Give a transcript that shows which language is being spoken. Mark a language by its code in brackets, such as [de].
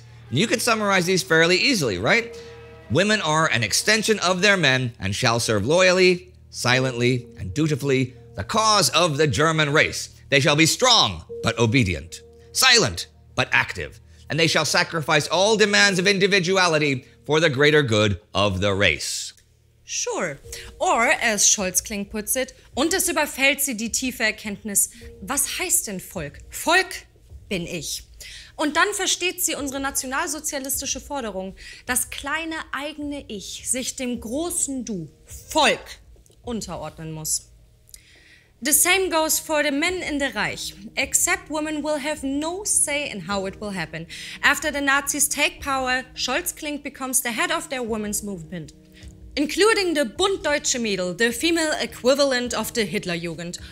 [en] You could summarize these fairly easily, right? Women are an extension of their men and shall serve loyally, silently, and dutifully the cause of the German race. They shall be strong but obedient, silent but active, and they shall sacrifice all demands of individuality for the greater good of the race. Sure. Or, as Scholz-Klink puts it, [de] und es überfällt sie die tiefe Erkenntnis, was heißt denn Volk? Volk bin ich. Und dann versteht sie unsere nationalsozialistische Forderung, das kleine eigene Ich sich dem großen Du, Volk, unterordnen muss. [en] The same goes for the men in the Reich, except women will have no say in how it will happen. After the Nazis take power, Scholz-Klink becomes the head of their women's movement, including the Bund Deutsche Mädel, the female equivalent of the Hitlerjugend.